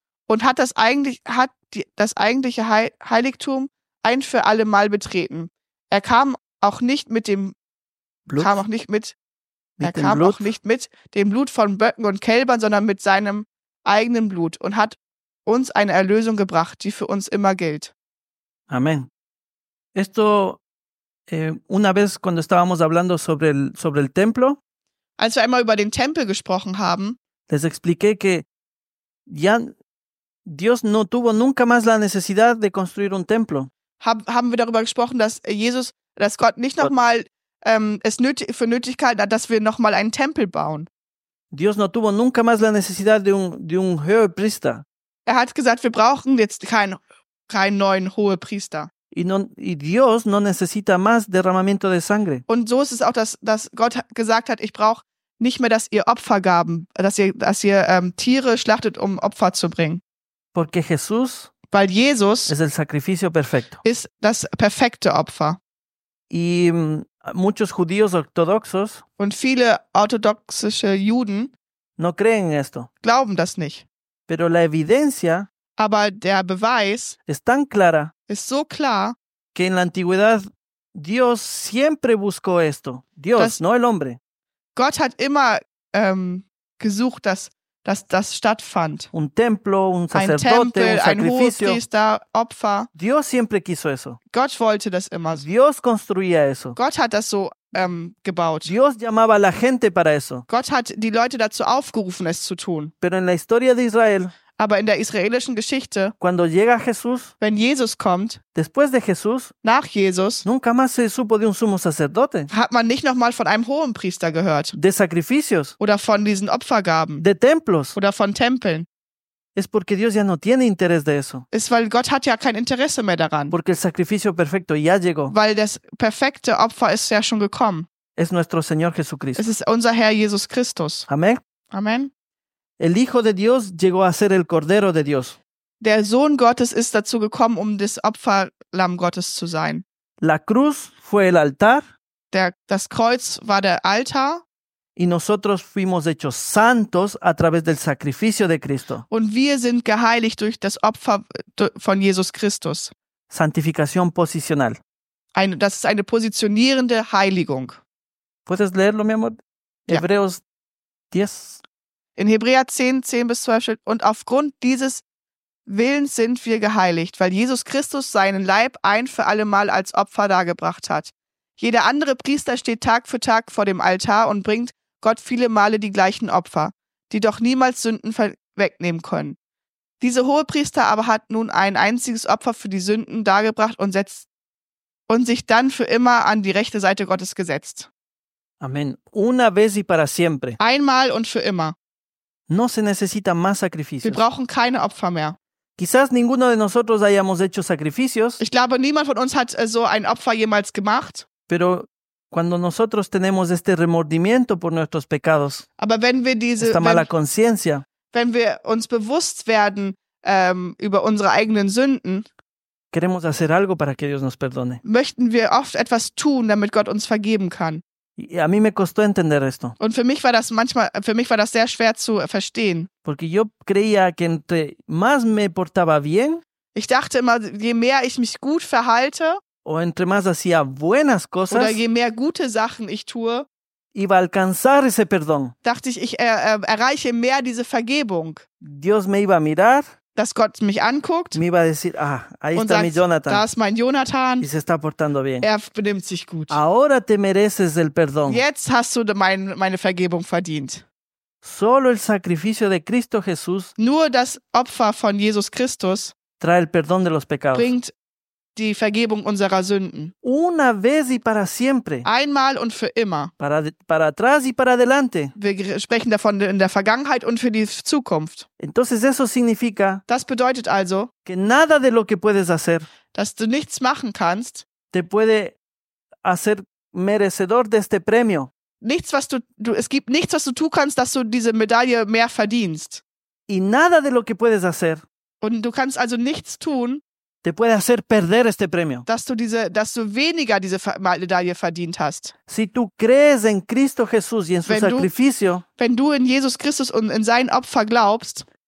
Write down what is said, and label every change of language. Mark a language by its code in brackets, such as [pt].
[de] Und hat das eigentliche Heiligtum ein für alle Mal betreten. Er kam auch nicht mit dem Blut. Er kam auch nicht mit dem Blut von Böcken und Kälbern, sondern mit seinem eigenen Blut und hat uns eine Erlösung gebracht, die für uns immer gilt. Amen. [es] Esto una vez cuando estábamos hablando sobre el templo, [de] als wir einmal über den Tempel gesprochen haben, [es] les expliqué que ya Dios no tuvo nunca más la necesidad de construir un templo. [de] Haben wir darüber gesprochen, dass Gott nicht nochmal es für nötig gehalten hat, dass wir nochmal einen Tempel bauen. [es] Dios no tuvo nunca más la necesidad de un Hohepriester. [de] Er hat gesagt, wir brauchen jetzt keinen neuen Hohepriester. [es] Y Dios no necesita más derramamiento de sangre. [de] Und so ist es auch, dass Gott gesagt hat, ich brauche nicht mehr, dass ihr Tiere schlachtet, um Opfer zu bringen. [es] Porque Jesús. [de] Weil Jesus [es] es el sacrificio perfecto. [de] Ist das perfekte Opfer. [es] Y muchos judíos ortodoxos [de] und viele orthodoxische Juden [es] no creen esto. [de] Glauben das nicht. [es] Pero la evidencia [de] aber der Beweis [es] es tan clara, [de] ist so klar, [es] que en la antigüedad Dios siempre buscó esto. Dios, no el hombre. [de] Gott hat immer gesucht, dass das stattfand. [es] Un templo, un sacerdote, ein [de] Tempel, ein Hohepriester, Opfer. [es] Dios siempre quiso eso. [de] Gott wollte das immer. [es] Dios construía eso. [de] Gott hat das so gebaut. [es] Dios llamaba a la gente para eso. [de] Gott hat die Leute dazu aufgerufen, es zu tun. [es] Pero en la historia de Israel, [de] aber in der israelischen Geschichte, [es] cuando llega Jesús, [de] wenn Jesus kommt, [es] después de Jesús, [de] nach Jesus, [es] nunca más se supo de un sumo sacerdote, [de] hat man nicht nochmal von einem hohen Priester gehört. [es] De sacrificios. [de] Oder von diesen Opfergaben. [es] De templos. [de] Oder von Tempeln. [es] Es porque Dios ja no tiene interés de eso. [de] Ist, weil Gott hat ja kein Interesse mehr daran. [es] Porque el sacrificio perfecto ya llegó. [de] Weil das perfekte Opfer ist ja schon gekommen. [es] Es nuestro Señor Jesucristo. [de] Es ist unser Herr Jesus Christus. Amen. Amen. [es] El Hijo de Dios llegó a ser el Cordero de Dios. [de] Der Sohn Gottes ist dazu gekommen, um das Opferlamm Gottes zu sein. [es] La cruz fue el altar. [de] Das Kreuz war der Altar. [es] Y nosotros fuimos hechos santos a través del sacrificio de Cristo. [de] Und wir sind geheiligt durch das Opfer von Jesus Christus. [es] Santificación posicional. [de] Das ist eine positionierende Heiligung. [es] ¿Puedes leerlo, mi amor? Hebreos 10. [de] In Hebräer 10, 10 bis 12 steht, und aufgrund dieses Willens sind wir geheiligt, weil Jesus Christus seinen Leib ein für alle Mal als Opfer dargebracht hat. Jeder andere Priester steht Tag für Tag vor dem Altar und bringt Gott viele Male die gleichen Opfer, die doch niemals Sünden wegnehmen können. Dieser hohe Priester aber hat nun ein einziges Opfer für die Sünden dargebracht und sich dann für immer an die rechte Seite Gottes gesetzt. [es] Amen. Una vez y para siempre. [de] Einmal und für immer. [es] No se necesita más sacrificios. [de] Wir brauchen keine Opfer mehr. [es] Quizás ninguno de nosotros hayamos hecho sacrificios. [de] Ich glaube, niemand von uns hat so ein Opfer jemals gemacht. [es] Pero cuando nosotros tenemos este remordimiento por nuestros pecados, [de] aber wenn wir [es] mala conciencia, [de] wenn wir uns bewusst werden über unsere eigenen Sünden, [es] queremos hacer algo para que Dios nos perdone. [de] Möchten wir oft etwas tun, damit Gott uns vergeben kann. [es] Y a mí me costó entender esto. [de] Und für mich war das sehr schwer zu verstehen. [es] Porque yo creía que entre más me portaba bien, [de] ich dachte immer, je mehr ich mich gut verhalte, [es] o entre más hacía buenas cosas, [de] oder je mehr gute Sachen ich tue, [es] iba a alcanzar ese perdón. [de] Dachte ich, erreiche mehr diese Vergebung. [es] Dios me iba a mirar, [de] dass Gott mich anguckt, [es] me iba a decir, ah, ahí está mi Jonathan. [de] Da ist mein Jonathan. [es] Y se está portando bien. [de] Er benimmt sich gut. [es] Ahora te mereces el perdón. [de] Jetzt hast du meine Vergebung verdient. [es] Solo el sacrificio de Cristo Jesús, [de] nur das Opfer von Jesus Christus, [es] trae el perdón de los pecados, [de] bringt die Vergebung unserer Sünden. [es] Una vez y para siempre. [de] Einmal und für immer. [es] Para atrás y para adelante. [de] Wir sprechen davon in der Vergangenheit und für die Zukunft. [es] Entonces eso significa, [de] das bedeutet also, [es] que nada de lo que puedes hacer, [de] dass du nichts machen kannst, [es] te puede hacer merecedor de este premio. [de] Nichts, was du, es gibt nichts, was du tun kannst, dass du diese Medaille mehr verdienst. [es] Y nada de lo que puedes hacer, [de] und du kannst also nichts tun, [es] te puede hacer perder este premio. [de] Dass du weniger diese Medaille verdient hast. [es] Si tú crees en Cristo Jesús y en su sacrificio, [de] wenn du in Jesus Christus und in sein Opfer glaubst,